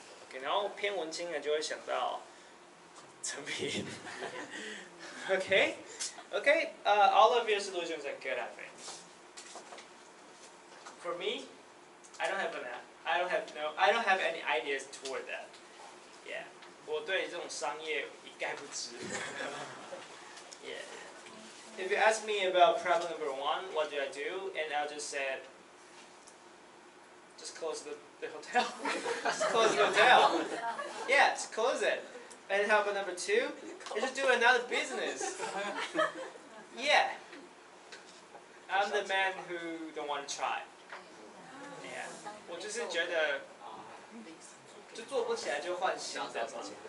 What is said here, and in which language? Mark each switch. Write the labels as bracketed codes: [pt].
[zh] Okay, 然后偏文青的就会想到成品.Okay. [en] Okay, all of your solutions are good, I think. For me, I don't have any ideas toward that. Yeah. [zh] 我对这种商业一概不知。 [en] Yeah. If you ask me about problem number one, what do I do? And I'll just say, just close the hotel. Just close the hotel. Yeah, just close it. And how about number two? I just do another business. Yeah. I'm the man who don't want to try. Yeah. [zh] 我就是觉得就做不起来就换新的东西。